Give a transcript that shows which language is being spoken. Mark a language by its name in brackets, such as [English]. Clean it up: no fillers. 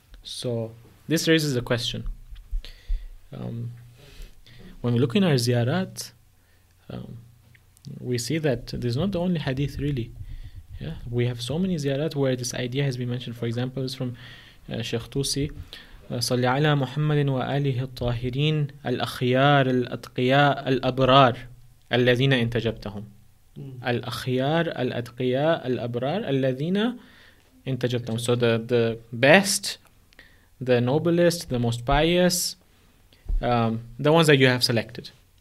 [English] So this raises a question. When we look in our ziyarat, we see that this is not the only hadith really. Yeah, we have so many ziyarat where this idea has been mentioned. For example, it's from Sheikh Tusi. [Arabic] صلى على محمد وآله الطاهرين الأخيار الأتقياء الأبرار الذين انتجبتهم. الأخيار الأتقياء الأبرار الذين انتجبتهم. [English] So the best, the noblest, the most pious, the ones that you have selected.